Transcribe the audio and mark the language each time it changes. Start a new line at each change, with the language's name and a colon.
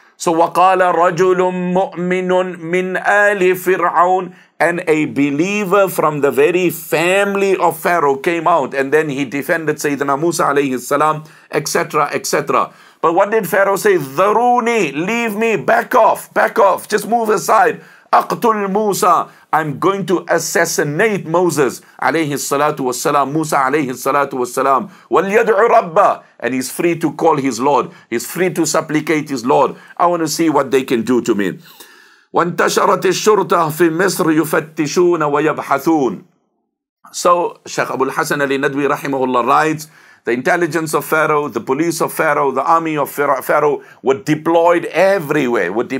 Arabic: So, وَقَالَ رَجُلٌ مُؤْمِنٌ مِّنْ آلِ فِرْعَوْنِ.
English: And a believer from the very family of Pharaoh came out, and then he defended Sayyidina Musa alayhi salam, etc., etc. But what did Pharaoh say? Dharuni, leave me, back off, just move aside.
Arabic: أَقْتُلْ مُوسَى,
English: I'm going to assassinate Moses
Arabic: عليه الصلاة والسلام, Musa عليه الصلاة والسلام. وَلْيَدْعُ رَبَّهُ,
English: and he's free to call his Lord, he's free to supplicate his Lord. I want to see what they can do to me.
Arabic: وَانْتَشَرَتِ الشُّرْطَةِ فِي مِصْرِ يُفَتِّشُونَ وَيَبْحَثُونَ.
English: So Sheikh Abu al-Hasan al-Nadwi rahimahullah writes, the intelligence of Pharaoh, the police of Pharaoh, the army of Pharaoh were deployed everywhere.